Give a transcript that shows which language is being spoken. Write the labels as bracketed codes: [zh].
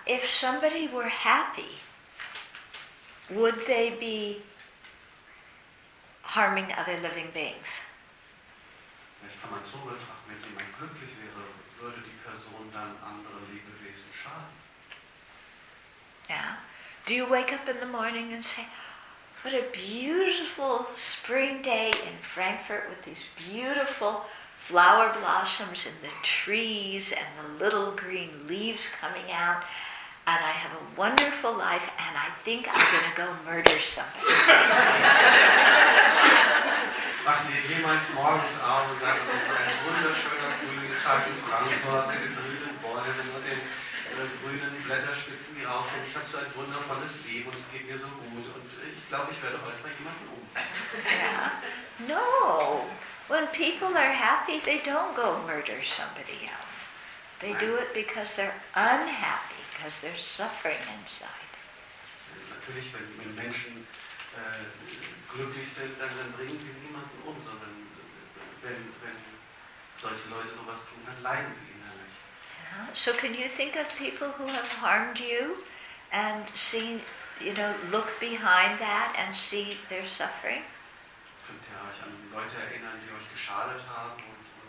[en] If somebody were happy, would they be harming other living beings? [de] Vielleicht kann man so betrachten, wenn jemand glücklich wäre, würde die Person dann andere Lebewesen schaden. [en] Yeah. Do you wake up in the morning and say, what a beautiful spring day in Frankfurt with these beautiful flower blossoms in the trees and the little green leaves coming out, and I have a wonderful life, and I think I'm going to go murder somebody. [de] Machen wir jemals morgens auf und sagen, es ist ein wunderschöner Frühlingstag in Frankfurt mit den grünen Bäumen und den grünen Blätterspitzen, die rausgehen. Ich habe so ein wundervolles Leben und es geht mir so gut und ich glaube, ich werde heute mal jemanden um. [en] Yeah. No. When people are happy, they don't go murder somebody else. They do it because they're unhappy, because they're suffering inside. [de] Natürlich, wenn Menschen glücklich sind, dann bringen sie niemanden um, sondern wenn solche Leute sowas tun, dann leiden sie innerlich. [en] So can you think of people who have harmed you and seen, you know, look behind that and see their suffering? [de] Könnt ihr euch an Leute erinnern, die euch geschadet haben und